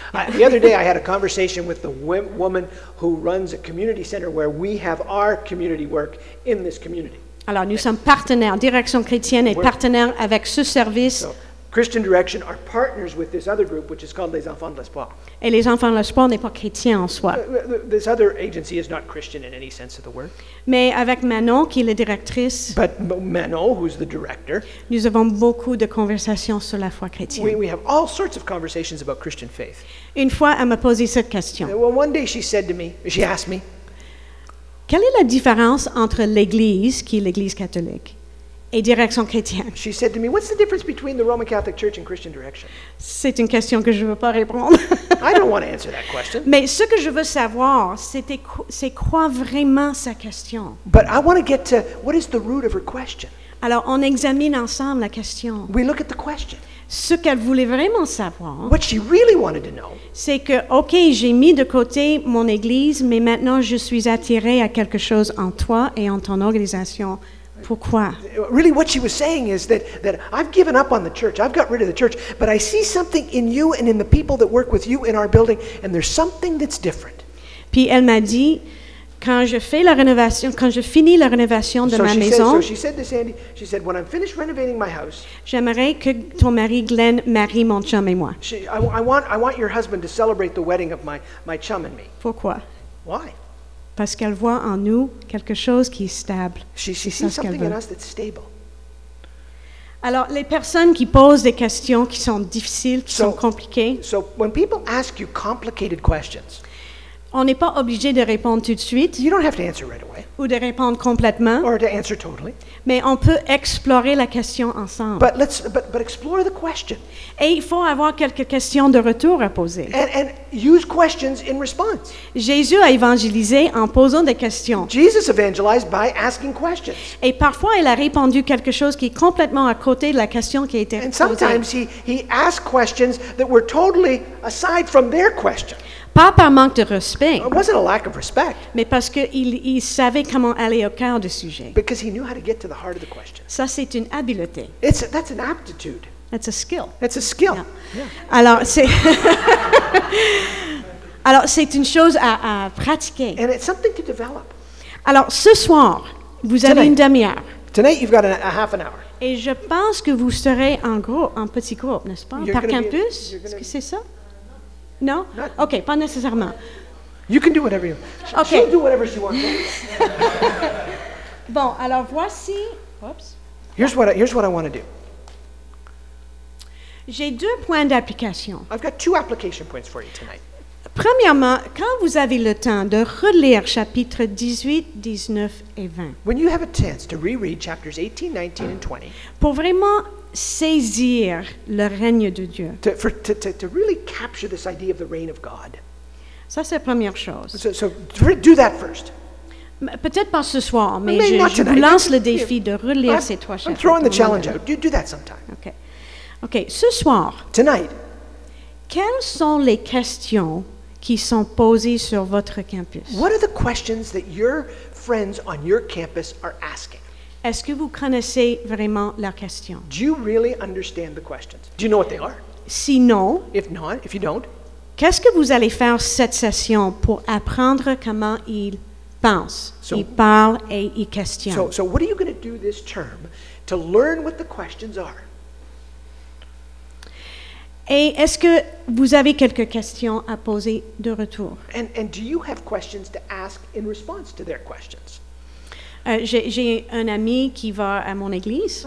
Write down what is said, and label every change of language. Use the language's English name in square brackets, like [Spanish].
[English] The other day, I had a conversation with the woman who runs a community center where we have our community work in this community. [French] Alors, nous sommes partenaires. Direction chrétienne est partenaire avec ce service. [English] So, Christian Direction are partners with this other group, which is called Les Enfants de l'Espoir. [French] Et Les Enfants de l'Espoir n'est pas chrétien en soi. [English] This other agency is not Christian in any sense of the word. [French] Mais avec Manon, qui est la directrice, [English] but Manon, who's the director, [French] nous avons beaucoup de conversations sur la foi chrétienne. [English] We have all sorts of conversations about Christian faith. [French] Une fois, elle m'a posé cette question. [English] Well, one day she said to me, she asked me, [French] quelle est la différence entre l'Église, qui est l'Église catholique, et Direction chrétienne? [English] She said to me, what's the difference between the Roman Catholic Church and Christian Direction? [French] C'est une question que je ne veux pas répondre. [English] I don't want to answer that question. [French] Mais ce que je veux savoir, c'est quoi vraiment sa question? [English] But I want to get to, what is the root of her question? [French] Alors, on examine ensemble la question. [English] We look at the question. [French] Ce qu'elle voulait vraiment savoir, [English] what she really wanted to know, [French] c'est que, OK, j'ai mis de côté mon église, mais maintenant je suis attirée à quelque chose en toi et en ton organisation. Pourquoi? [English] Really, what she was saying is that I've given up on the church. I've got rid of the church. But I see something in you and in the people that work with you in our building, and there's something that's different. [French] Puis elle m'a dit, quand je finis la rénovation de ma maison, [English] so she said to Sandy, she said, when I'm finished renovating my house, [French] j'aimerais que ton mari Glenn marie mon chum et moi. [English] I want your husband to celebrate the wedding of my chum and me. [French] Pourquoi? [English] Why? [French] Parce qu'elle voit en nous quelque chose qui est stable. [English] She sees something in us that's stable. [French] Alors, les personnes qui posent des questions qui sont difficiles, qui sont compliquées, [English] so when people ask you complicated questions, [French] on n'est pas obligé de répondre tout de suite, [English] you don't have to answer right away, [French] ou de répondre complètement, [English] or to answer totally, [French] mais on peut explorer la question ensemble. [English] But explore the question. [French] Et il faut avoir quelques questions de retour à poser. [English] And use questions in response. [French] Jésus a évangélisé en posant des questions. [English] Jesus evangelized by asking questions. [French] Et parfois, il a répondu quelque chose qui est complètement à côté de la question qui a été posée. [English] And sometimes he asked questions that were totally aside from their question. [French] Pas par manque de respect. [English] It wasn't a lack of respect. [French] Mais parce qu'il savait comment aller au cœur du sujet. [English] Because he knew how to get to the heart of the question. [French] Ça, c'est une habileté. [English] That's an aptitude. That's a skill. That's a skill. Yeah. [French] Yeah. Alors, c'est une chose à pratiquer. [English] And it's something to develop. [French] Alors, ce soir, vous avez une demi-heure. [English] Tonight, you've got a half an hour. [French] Et je pense que vous serez en groupe, en petit groupe, n'est-ce pas? Par campus? Est-ce que c'est ça? No? OK, pas nécessairement. [English] You can do whatever you want. Okay. She'll do whatever she wants. [French] Bon, alors voici... Oops. [English] Here's what I want to do. [French] J'ai deux points d'application. [English] I've got two application points for you tonight. [French] Premièrement, quand vous avez le temps de relire chapitres 18, 19 et 20... [English] When you have a chance to reread chapters 18, 19 and 20... [French] Pour vraiment... saisir le règne de Dieu. [English] To really capture this idea of the reign of God. [French] Ça, c'est la première chose. [English] So do that first. [French] Peut-être pas ce soir, mais je vous lance le défi de relire ces trois chapitres. [English] I'm throwing the challenge out. Do that sometime. [French] OK. Ce soir, [English] tonight, [French] quelles sont les questions qui sont posées sur votre campus? [English] What are the questions that your friends on your campus are asking? [French] Est-ce que vous connaissez vraiment leurs questions? [English] Do you really understand the questions? Do you know what they are? [French] Sinon, [English] if not, if you don't, [French] qu'est-ce que vous allez faire cette session pour apprendre comment ils pensent, ils parlent et ils questionnent? [English] So what are you going to do this term to learn what the questions are? [French] Et est-ce que vous avez quelques questions à poser de retour? [English] And do you have questions to ask in response to their questions? [French] J'ai un ami qui va à mon église.